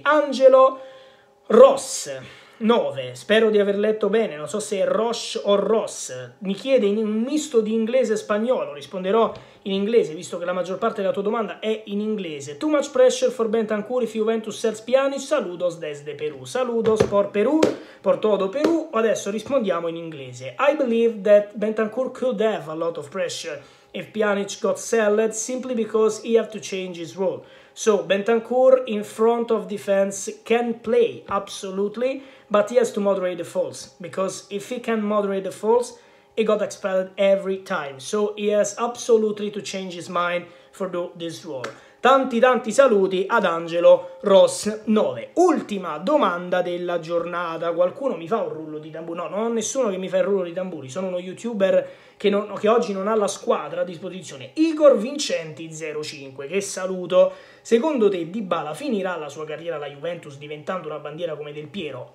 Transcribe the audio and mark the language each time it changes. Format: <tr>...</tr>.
<it>Angelo Ross 9, spero di aver letto bene, non so se è Roche o Ross, mi chiede in un misto di inglese e spagnolo, risponderò in inglese visto che la maggior parte della tua domanda è in inglese.</it> <en>Too much pressure for Bentancur if Juventus sells Pjanic,</en> <es>saludos desde Perù, saludos por Perù, por todo Perù.</es> <it>Adesso rispondiamo in inglese.</it> <en>I believe that Bentancur could have a lot of pressure if Pjanic got sold simply because he have to change his role. So, Bentancur in front of defense can play, absolutely, but he has to moderate the falls. Because if he can moderate the falls he got expelled every time. So he has absolutely to change his mind for this role.</en> <it>Tanti tanti saluti ad Angelo Ross 9. Ultima domanda della giornata. Qualcuno mi fa un rullo di tamburi? No, non ho nessuno che mi fa il rullo di tamburi. Sono uno youtuber che oggi non ha la squadra a disposizione. Igor Vincenti 05, che saluto. Secondo te Dybala finirà la sua carriera alla Juventus diventando una bandiera come Del Piero?</it>